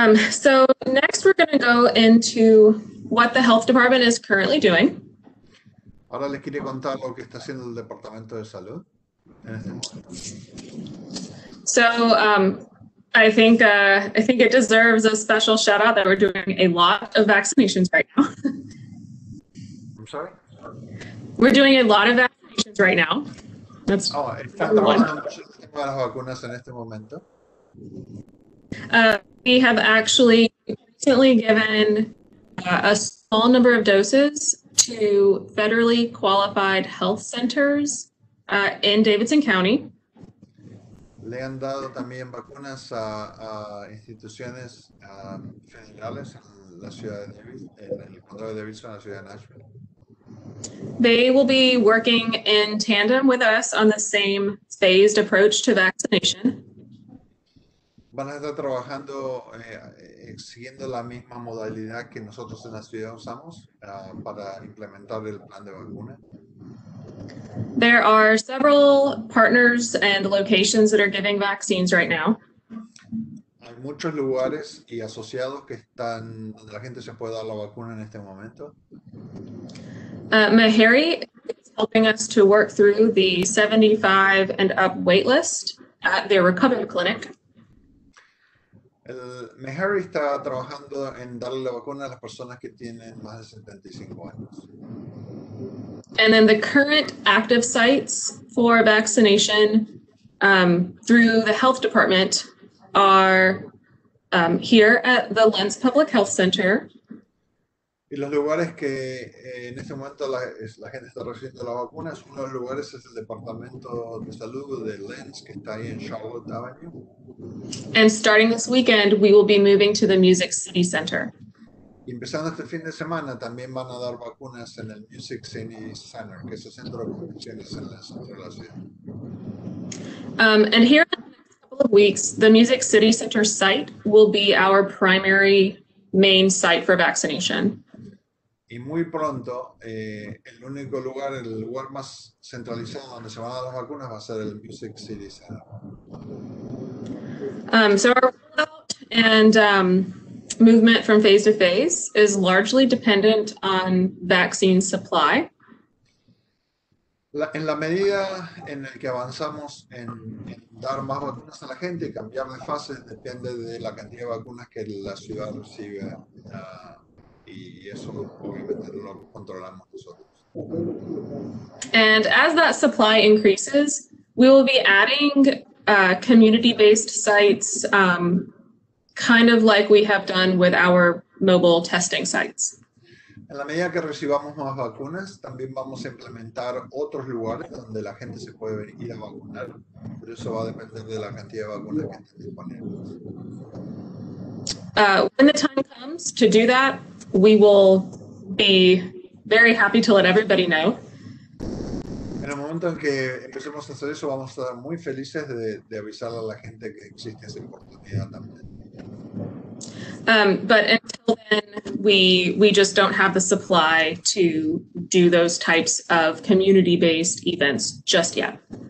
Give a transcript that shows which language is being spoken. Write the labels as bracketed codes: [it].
[en] So next we're going to go into what the health department is currently doing. [es] Ahora les quiero contar lo que está haciendo el departamento de salud. [en] So I think it deserves a special shout out that we're doing a lot of vaccinations right now. I'm sorry? We're doing a lot of vaccinations right now. That's [es] trabajando mucho las vacunas en este momento. [en] We have actually recently given a small number of doses to federally qualified health centers in Davidson County. [es] Le han dado también vacunas a instituciones federales en la ciudad de Davidson, en el condado de Davidson, en la ciudad de Nashville. [en] They will be working in tandem with us on the same phased approach to vaccination. [es] Van a estar trabajando siguiendo la misma modalidad que nosotros en la ciudad usamos para implementar el plan de vacuna. [en] There are several partners and locations that are giving vaccines right now. [es] Hay muchos lugares y asociados que están donde la gente se puede dar la vacuna en este momento. [en] Meharry is helping us to work through the 75 and up waitlist at their recovery clinic. [es] Meharry está trabajando en darle la vacuna a las personas que tienen más de 75 años. [en] And then the current active sites for vaccination through the health department are here at the Lens Public Health Center. [es] Y los lugares que en este momento la gente está recibiendo la vacuna, es uno de los lugares es el departamento de salud de Lens que está ahí en Charlotte Avenue. [en] And starting this weekend, we will be moving to the Music City Center. [es] Y empezando este fin de semana, también van a dar vacunas en el Music City Center, que es el centro de convenciones en la centro de la ciudad. [en] And here in the next couple of weeks, the Music City Center site will be our primary main site for vaccination. [es] Y muy pronto, el único lugar, el lugar más centralizado donde se van a dar las vacunas va a ser el Music City Center. [en] So our rollout and movement from phase to phase is largely dependent on vaccine supply. [es] En la medida en la que avanzamos en dar más vacunas a la gente y cambiar de fase, depende de la cantidad de vacunas que la ciudad recibe. Y eso obviamente lo controlamos nosotros. [en] And as that supply increases, we will be adding community-based sites, kind of like we have done with our mobile testing sites. [es] En la medida que recibamos más vacunas, también vamos a implementar otros lugares donde la gente se puede ir a vacunar. Pero eso va a depender de la cantidad de vacunas que estén disponibles. [en] When the time comes to do that, we will be very happy to let everybody know. [es] En el momento en que empecemos a hacer eso, vamos a estar muy felices de avisar a la gente que existe esa oportunidad también. [en] But until then, we just don't have the supply to do those types of community-based events just yet.